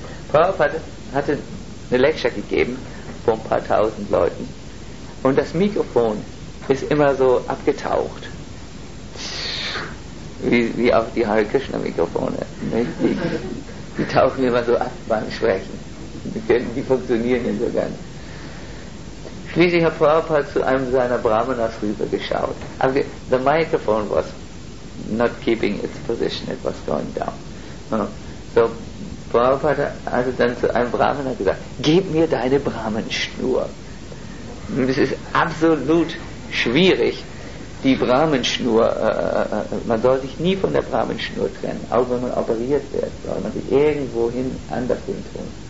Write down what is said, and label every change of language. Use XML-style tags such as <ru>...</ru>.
<de>Prabhupada hatte eine Lecture gegeben vor ein paar tausend Leuten und das Mikrofon ist immer so abgetaucht, wie auch die Hare Krishna Mikrofone. Die tauchen immer so ab beim Sprechen. Die funktionieren ja so gar nicht. Schließlich hat Prabhupada zu einem seiner Brahmanas rüber geschaut.</de> <en>Aber the microphone was not keeping its position, it was going down.</en> <de>So Prabhupada hat dann zu einem Brahmana gesagt, gib mir deine Brahmanschnur. Es ist absolut schwierig, die Brahmanschnur, man soll sich nie von der Brahmanschnur trennen, auch wenn man operiert wird, soll man sich irgendwo hin anders hin tun.</de>